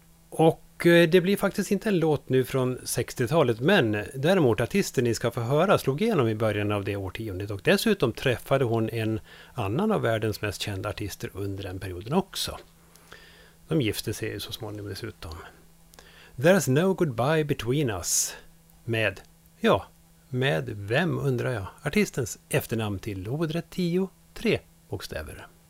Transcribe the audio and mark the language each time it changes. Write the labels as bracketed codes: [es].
[sv] Och det blir faktiskt inte en låt nu från 60-talet. Men däremot artisten ni ska få höra slog igenom i början av det årtiondet. Och dessutom träffade hon en annan av världens mest kända artister under den perioden också. De gifte sig så småningom dessutom. [en] There's no goodbye between us. [sv] Med, ja, med vem undrar jag? Artistens efternamn till lodrätt 10, 3 bokstäver.